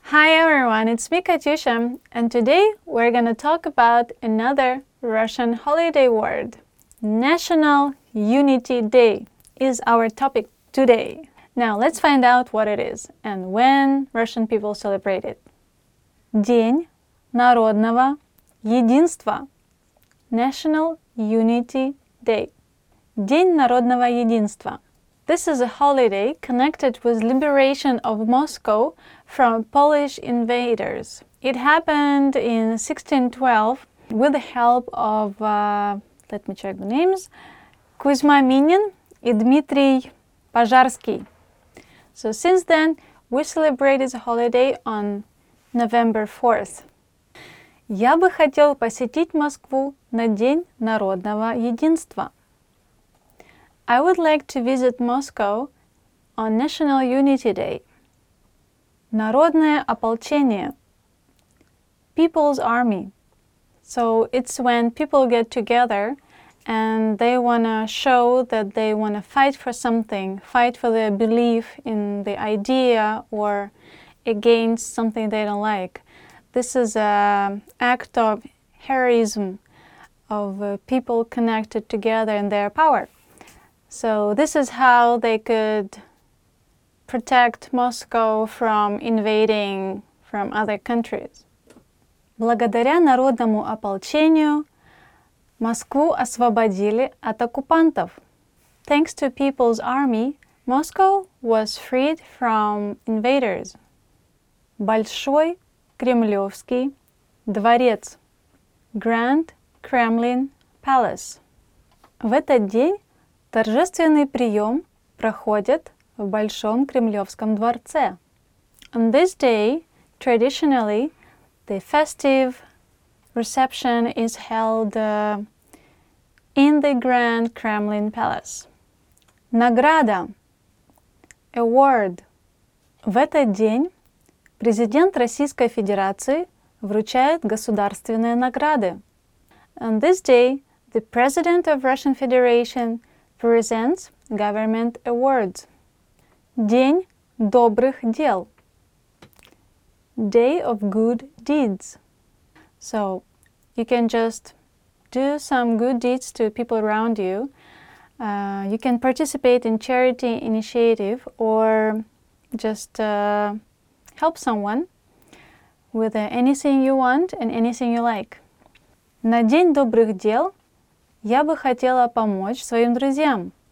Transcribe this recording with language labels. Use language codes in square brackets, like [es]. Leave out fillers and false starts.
[en] everyone, it's Mika Tushin, and today we're going to talk about another Russian holiday word. National Unity Day is our topic today. Now let's find out what it is and when Russian people celebrate it. [ru] День народного единства. [en] National Unity Day. [ru] День народного единства. [en] This is a holiday connected with liberation of Moscow from Polish invaders. It happened in 1612 with the help of, let me check the names, Kuzma Minin and Dmitry Pozharsky. So since then, we celebrate this holiday on November 4th. [ru] Я бы хотел посетить Москву на День народного единства. [en] I would like to visit Moscow on National Unity Day. [ru] Народное ополчение. [en] People's army. So it's when people get together and they want to show that they want to fight for something, fight for their belief in the idea or against something they don't like. This is an act of heroism, of people connected together in their power. So this is how they could protect Moscow from invading from other countries. [ru] Благодаря народному ополчению Москву освободили от оккупантов. [en] Thanks to people's army, Moscow was freed from invaders. [ru] Большой Кремлевский дворец. [en] Grand Kremlin Palace. [ru] В этот день торжественный прием проходит в Большом Кремлевском дворце. [en] On this day, traditionally, the festive reception is held in the Grand Kremlin Palace. [ru] Награда. [en] Award. [ru] В этот день президент Российской Федерации вручает государственные награды. [en] On this day, the President of Russian Federation presents government awards. [ru] День добрых дел. [en] Day of good deeds. So you can just do some good deeds to people around you. You can participate in charity initiative or just help someone with anything you want and anything you like. [ru] На день добрых дел я бы хотела помочь своим друзьям.